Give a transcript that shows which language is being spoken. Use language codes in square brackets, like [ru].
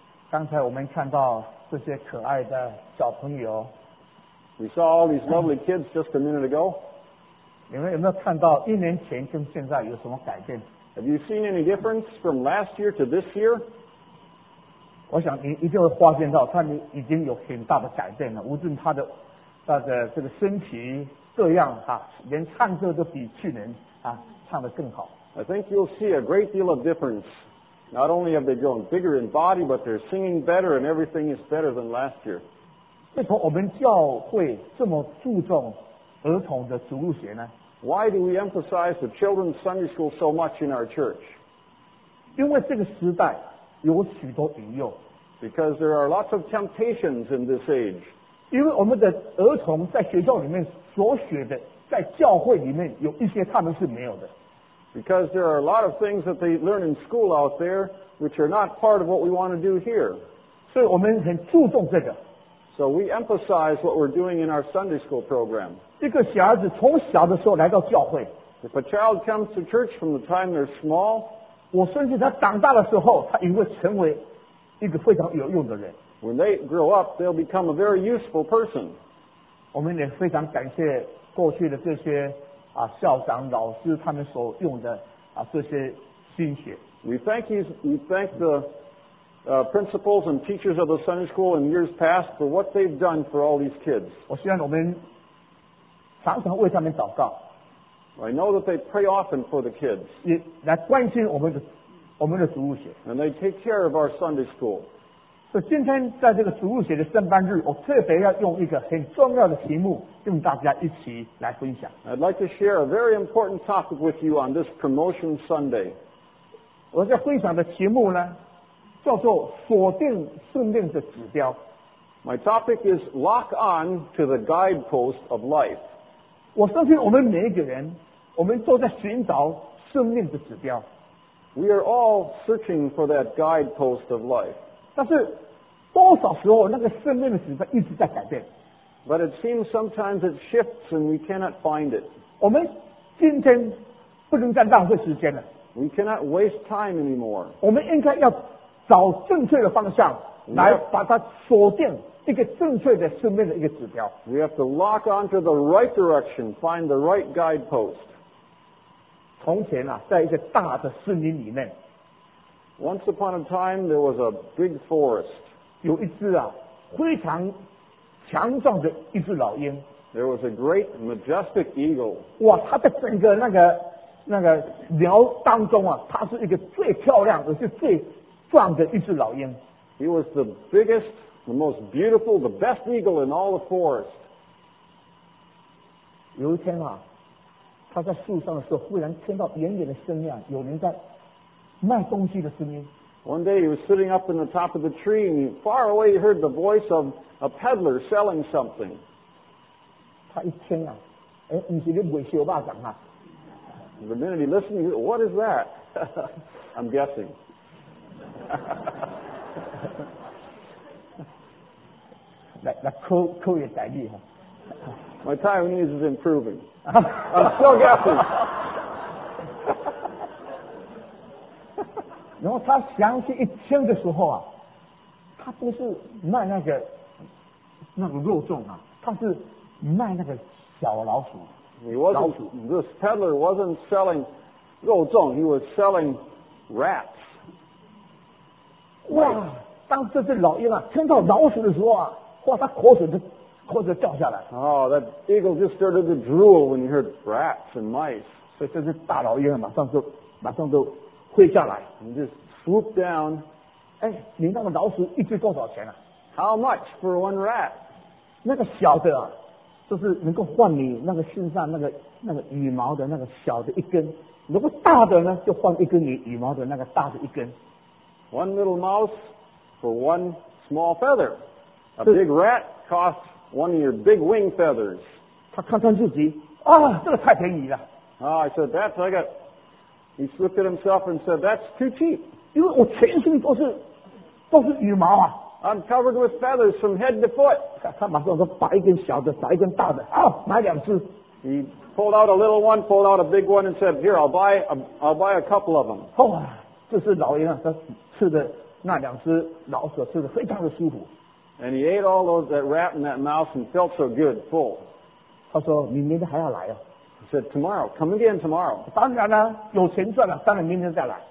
[zh] 刚才我们看到这些可爱的小朋友。 [en] We saw all these lovely kids just a minute ago. [zh] 你们有没有看到一年前跟现在有什么改变？ [en] Have you seen any difference from last year to this year? [zh] 我想你一定会发现到他们已经有很大的改变了，无论他的这个身体各样哈，连唱歌都比去年啊。 [en] I think you'll see a great deal of difference. Not only have they grown bigger in body, but they're singing better and everything is better than last year. [zh] 为什么我们教会这么注重儿童的主日学呢？ [en] Why do we emphasize the children's Sunday school so much in our church? [zh] 因为这个时代有许多引诱。 [en] Because there are lots of temptations in this age. [zh] 因为我们的儿童在学校里面所学的在教会里面有一些他们是没有的。 [en] Because there are a lot of things that they learn in school out there which are not part of what we want to do here. [zh] 所以我们很注重这个。 [en] So we emphasize what we're doing in our Sunday school program. [zh] 一个小孩子从小的时候来到教会。 [en] If a child comes to church from the time they're small, [zh] 我甚至他长大的时候他也会成为一个非常有用的人。 [en] When they grow up, they'll become a very useful person. [zh] 我们也非常感谢过去的这些啊校长老师他们所用的啊这些心血。 [en] We thank the principals and teachers of the Sunday school in years past for what they've done for all these kids. [zh] 我希望我们常常为他们祷告。 [en] I know that they pray often for the kids. [zh] 也来关心我们的主日学。 [en] And they take care of our Sunday school. [zh] 所以今天在这个主日学的圣班日，我特别要用一个很重要的题目。跟大家一起来分享。 [en] I'd like to share a very important topic with you on this Promotion Sunday. [zh] 我在分享的题目呢，叫做锁定生命的指标。 [en] My topic is lock on to the guidepost of life. [zh] 我相信我们每一个人，我们都在寻找生命的指标。 [en] We are all searching for that guidepost of life. [zh] 但是多少时候那个生命的指标一直在改变。 [en] But it seems sometimes it shifts and we cannot find it. [zh] 我们今天不能再浪费时间了。 [en] We cannot waste time anymore. [zh] 我们应该要找正确的方向来把它锁定一个正确的生命的一个指标。 [en] We have to lock onto the right direction, find the right guidepost. [zh] 从前啊，在一个大的森林里面。 [en] Once upon a time, there was a big forest. [zh] 有一只啊，非常强壮的一只老鹰。 [en] There was a great majestic eagle. [zh] 哇，它的整个那个鸟当中啊，它是一个最漂亮而且最壮的一只老鹰。 [en] He was the biggest, the most beautiful, the best eagle in all the forest. [zh] 有一天啊，他在树上的时候，忽然听到远远的声音，有人在卖东西的声音。 [en] One day he was sitting up in the top of the tree and far away he heard the voice of a peddler selling something. [zh] 他一听啊，哎，你是在卖小肉粽啊。 [en] The minute he listened, he said, what is that? I'm guessing. 来科学代理哈。 My Taiwanese is improving. I'm still guessing. [zh] 然后他想起一听的时候啊，他不是卖那个肉粽啊，他是卖那个小老鼠。 [en] This peddler wasn't selling 肉粽， he was selling rats. [zh] 哇！当这只老鹰啊听到老鼠的时候啊，哇，他口水掉下来。 [en] Oh, that eagle just started to drool when he heard rats and mice. [zh] 所以这只大老鹰马上就飞下来。 [en] And just swoop down. [zh] 哎，你那个老鼠一只多少钱啊？ [en] How much for one rat? [zh] 那个小的啊，就是能够换你那个身上那个羽毛的那个小的一根，如果大的呢，就换一根你羽毛的那个大的一根。 [en] One little mouse for one small feather. A big rat costs one of your big wing feathers. [zh] 他看看自己，这个太便宜了。 [en] I said that's I got. He looked at himself and said that's too cheap. [zh] 因为我全身都是羽毛啊。 [en] I'm covered with feathers from head to foot. [zh] 他马上说把一根小的，把一根大的，买两只。 [en] He pulled out a little one, pulled out a big one, and said, "Here, I'll buy a couple of them." [zh] 这是老鹰啊，他吃的那两只老鼠吃的非常的舒服。 [en] And he ate all of that rat and that mouse and felt so good, full. [zh] 他说明天还要来啊。 [en] He said, "Tomorrow, come again tomorrow." [zh] 当然了，有钱赚了，当然明天再来。